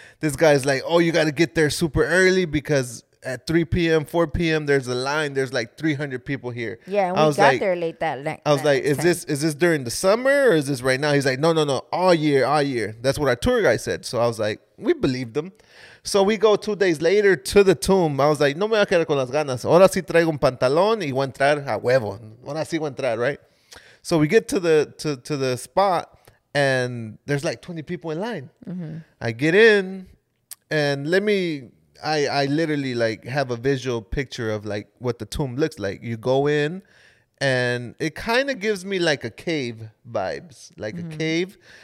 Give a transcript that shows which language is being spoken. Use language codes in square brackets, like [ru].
[en] This guy's like, oh, you got to get there super early because at 3 p.m., 4 p.m., there's a line. There's like 300 people here. Yeah, and we got like, there late that night. I was like, is this during the summer or is this right now? He's like, no, all year. That's what our tour guide said. So I was like, we believed him. So we go 2 days later to the tomb. I was like, [es] no me voy a quedar con las ganas. Ahora sí traigo un pantalón y voy a entrar a huevo. Ahora sí voy a entrar, right? [en] So we get to the spot and there's like 20 people in line. Mm-hmm. I get in and I literally like have a visual picture of like what the tomb looks like. You go in and it kind of gives me like a cave vibes, like mm-hmm. a cave.